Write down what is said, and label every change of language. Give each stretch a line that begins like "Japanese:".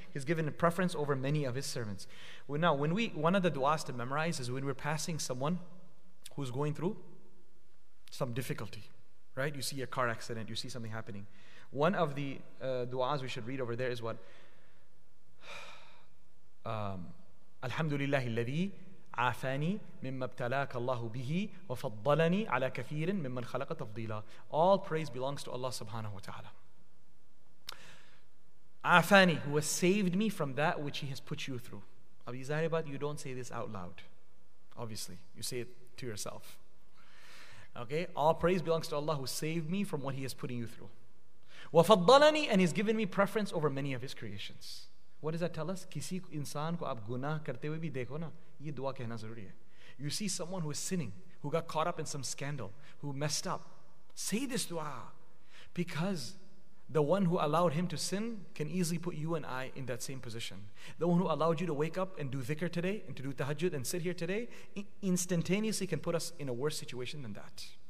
English: He's given preference over many of his servants. Well, now, one of the du'as to memorize is when we're passing someone who's going through some difficulty, right? You see a car accident, you see something happening. One of the du'as we should read over there is what?
Arabic: Alhamdulillahi alladhi عافاني مما ابتلاك الله به وفضلني على كثير ممن خلق تفضيلا.
English: All praise belongs to Allah subhanahu wa ta'ala. عافاني, who has saved me from that which he has put you through. Abi Zahirabad, you don't say this out loud. Obviously, you say it to yourself. Okay, all praise belongs to Allah who saved me from what he is putting you through. وَفَضَّلَنِي, and he's given me preference over many of his creations. What does that tell us?
Urdu: کسی انسان کو آپ گناہ کرتے ہوئے بھی دیکھو نا، یہ دعا کہنا ضروری ہے۔
English: You see someone who is sinning, who got caught up in some scandal, who messed up, say this dua. Because the one who allowed him to sin can easily put you and I in that same position. The one who allowed you to wake up and do dhikr today and to do tahajjud and sit here today instantaneously can put us in a worse situation than that.